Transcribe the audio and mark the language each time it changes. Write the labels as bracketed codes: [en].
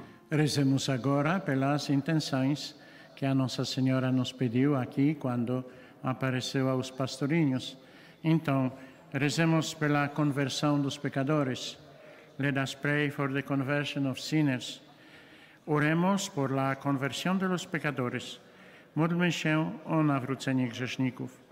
[pt] Rezemos agora pelas intenções que a Nossa Senhora nos pediu aqui quando apareceu aos pastorinhos. Então, rezemos pela conversão dos pecadores. [en] Let us pray for the conversion of sinners. [es] Oremos por la conversión de los pecadores. [pl] Módlme się o nawrócenie grzeszników.